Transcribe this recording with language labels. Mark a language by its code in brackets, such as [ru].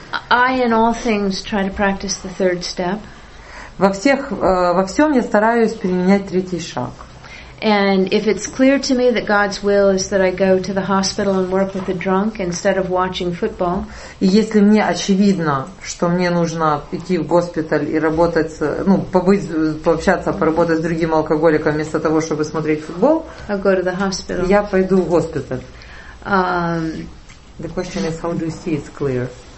[en] I in all things try to practice the third step. [ru] Во всем я стараюсь применять третий шаг. [en] And if it's clear to me that God's will is that I go to the hospital and work with the drunk instead of watching football. [ru] И если мне очевидно, что мне нужно идти в госпиталь и работать, ну, пообщаться, поработать с другим алкоголиком вместо того, чтобы смотреть футбол, [en] I'll go to the hospital. [ru] Я пойду в госпиталь. [en] The question is, how do you see it's clear?